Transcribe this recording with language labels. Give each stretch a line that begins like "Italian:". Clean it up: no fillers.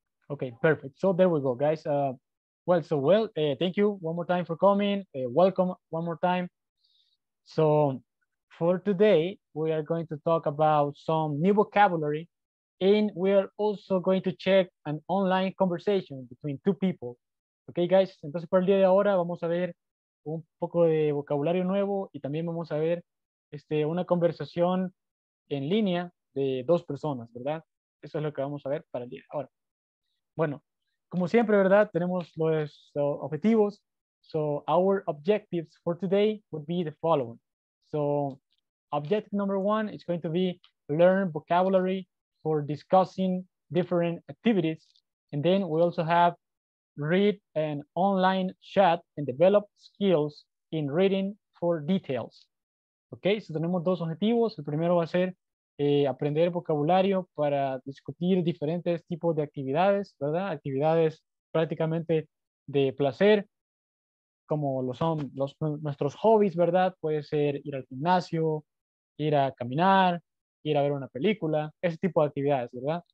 English: Okay, perfect. So there we go, guys. Thank you one more time for coming. Welcome one more time. So for today, we are going to talk about some new vocabulary, and we are also going to check an online conversation between two people. Okay, guys.
Spanish: Entonces, para el día de ahora, vamos a ver un poco de vocabulario nuevo y también vamos a ver una conversación en línea de dos personas, ¿verdad? Eso es lo que vamos a ver para el día de ahora. Bueno, como siempre, ¿verdad? Tenemos los objetivos.
English: So, our objectives for today would be the following. So, objective number one is going to be learn vocabulary for discussing different activities. And then we also have read an online chat and develop skills in reading for details.
Spanish: Ok, so tenemos dos objetivos. El primero va a ser aprender vocabulario para discutir diferentes tipos de actividades, ¿verdad? Actividades prácticamente de placer. como lo son los, nuestros hobbies, ¿verdad? Puede ser ir al gimnasio, ir a caminar, ir a ver una película, ese tipo de actividades, ¿verdad?